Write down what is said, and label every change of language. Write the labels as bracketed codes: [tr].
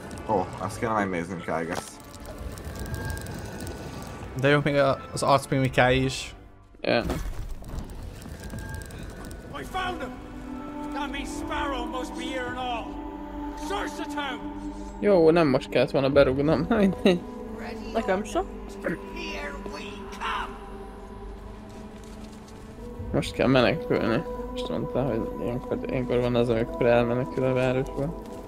[hu] Ó, azt kéne megnéznünk, [en] I guess. [hu] De jó, még az arc mimikái is. [en] Yeah. We found him! That means Sparrow must be here and all! Search the town! [hu] Jó, nem most kellett volna berugnom. Nekem sem. [en] Here we come! [hu] Most kell menekülni. Most mondta, hogy ilyenkor van az, amikor elmenekül a városba.